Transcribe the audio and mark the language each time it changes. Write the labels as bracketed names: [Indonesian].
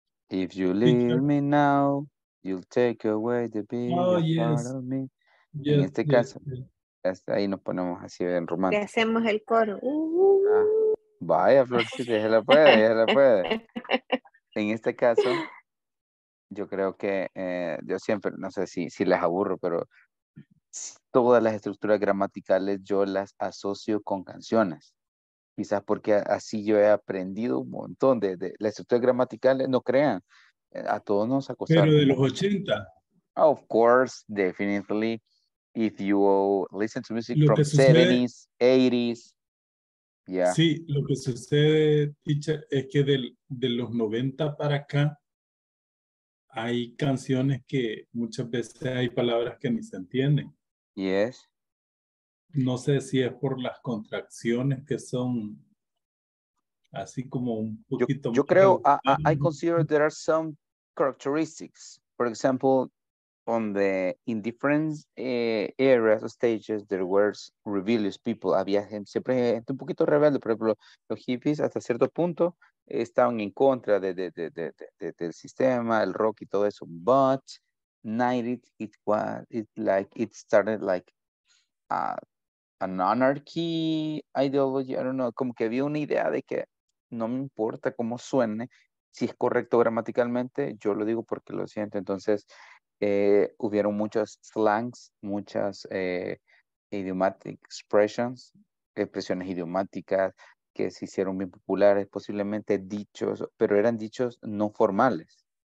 [English] If you leave me now, you'll take away the big part of me. Yes, [Spanish] en este caso, hasta ahí nos ponemos así en romántico. Le hacemos el coro. Vaya, Florcita, ya la puede. En este caso... Yo creo que yo siempre, no sé si les aburro, pero todas las estructuras gramaticales yo las asocio con canciones. Quizás porque así yo he aprendido un montón de las estructuras gramaticales, no crean, a todos nos ha costado. Pero de los 80. [English] Of course, definitely. If you listen to music lo from 70s, sucede, 80s. Yeah. [Spanish] Sí, lo que sucede, teacher, es que de los 90 para acá, hay canciones que muchas veces hay palabras que ni se entienden. [English] Yes. [Spanish] No sé si es por las contracciones que son así como un poquito. Yo creo, [English] I consider there are some characteristics. For example, on the, in different areas or stages, there were rebellious people. [Spanish] Había gente, siempre gente un poquito rebelde. Por ejemplo, los hippies hasta cierto punto estaban en contra del sistema, el rock y todo eso. [English] But 90s, it started like an anarchy ideology. I don't know. [Spanish] Como que había una idea de que no me importa cómo suene, si es correcto gramaticalmente, yo lo digo porque lo siento. Entonces, hubieron muchos slangs, muchas idiomatic expressions, expresiones idiomáticas que se hicieron bien populares, posiblemente dichos, pero eran dichos no formales.